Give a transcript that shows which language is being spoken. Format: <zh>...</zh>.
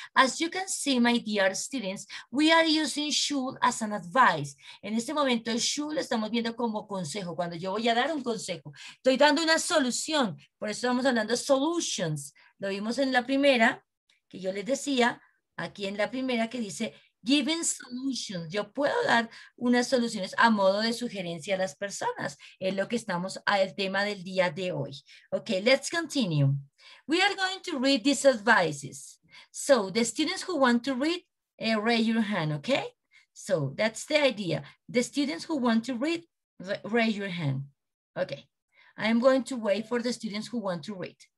<en>As you can see, my dear students, we are using should as an advice.</en> <es>En este momento, should estamos viendo como consejo. Cuando yo voy a dar un consejo, estoy dando una solución. Por eso estamos hablando de solutions. Lo vimos en la primera, que yo les decía, aquí en la primera que dice, giving solutions. Yo puedo dar unas soluciones a modo de sugerencia a las personas. Es lo que estamos al tema del día de hoy.</es> <en>Okay, let's continue. We are going to read these advices. So the students who want to read, raise your hand, okay? So that's the idea. The students who want to read, raise your hand. Okay, I am going to wait for the students who want to read.</en>